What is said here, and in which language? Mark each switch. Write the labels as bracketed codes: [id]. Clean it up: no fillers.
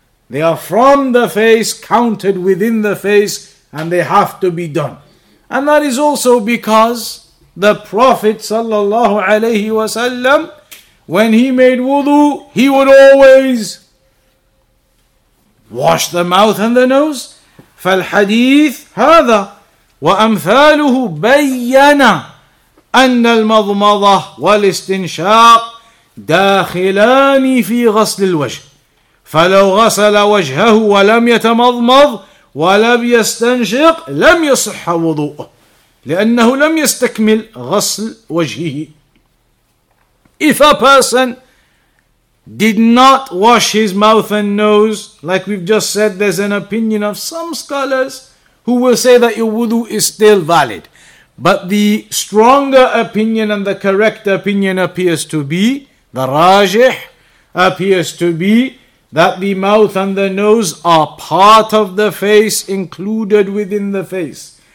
[en] They are from the face, counted within the face, and they have to be done. And that is also because the Prophet sallallahu alayhi wasallam, when he made wudu, he would always wash the mouth and the nose. [ar] فالحديث هذا وأمثاله بينا أن المضمضة والاستنشاق داخلان في غسل الوجه فلو غسل وجهه ولم يتمضمض ولم يستنشق لم يصح وضوءه لأنه لم يستكمل غسل وجهه. [en] If a person did not wash his mouth and nose, like we've just said, there's an opinion of some scholars who will say that your wudu is still valid. But the stronger opinion and the correct opinion appears to be, the rajih appears to be, that the mouth and the nose are part of the face, included within the face.